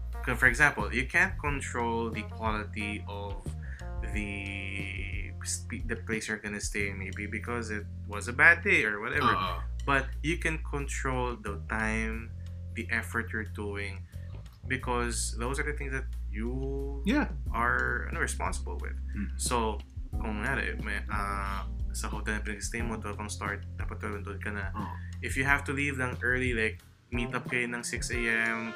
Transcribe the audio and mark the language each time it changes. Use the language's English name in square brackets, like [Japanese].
[English] For example, you can't control the quality of the place you're gonna stay, maybe because it was a bad day or whatever. But you can control the time, the effort you're doing, because those are the things that you are responsible with. [Filipino] So, kung nga, sa hotel na pinag-stay mo, 12 ang start, dapat 12 doon ka na. [English] If you have to leave lang early, like, meet up [Filipino] kayo ng [English] 6 a.m.